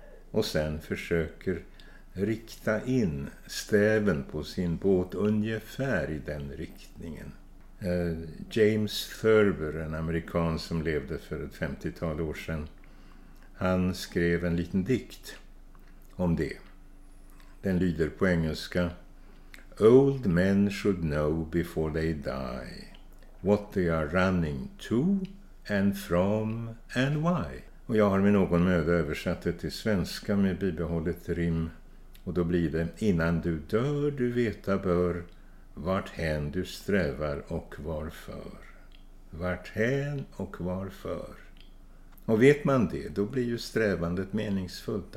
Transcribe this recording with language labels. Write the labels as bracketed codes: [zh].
[sv] Och sen försöker rikta in stäven på sin båt ungefär i den riktningen. James Thurber, en amerikan som levde för ett 50-tal år sedan, han skrev en liten dikt om det. Den lyder på engelska: [en] "Old men should know before they die what they are running to and from and why." [sv] Och jag har med någon möda översatt det till svenska med bibehållet rim, och då blir det: innan du dör du veta bör vart hän du strävar och varför. Vart hän och varför. Och vet man det, då blir ju strävandet meningsfullt.